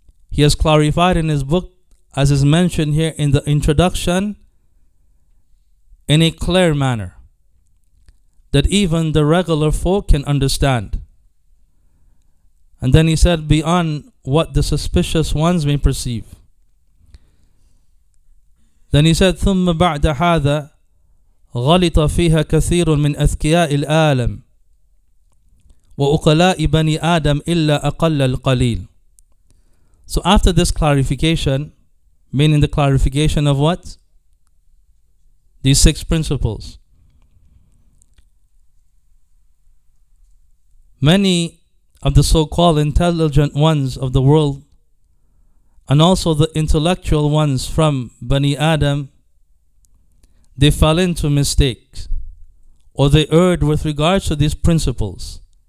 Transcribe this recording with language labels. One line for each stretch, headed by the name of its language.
English: He has clarified in his book, as is mentioned here in the introduction, in a clear manner that even the regular folk can understand. And then he said, beyond what the suspicious ones may perceive. Then he said,
Arabic: ثم بعد هذا غلط فيها كثير من أذكياء العالم وأقلاء بني آدم إلا أقل القليل.
English: So after this clarification, meaning the clarification of what? These six principles. Many of the so-called intelligent ones of the world, and also the intellectual ones from Bani Adam, they fell into mistakes, or they erred with regards to these principles.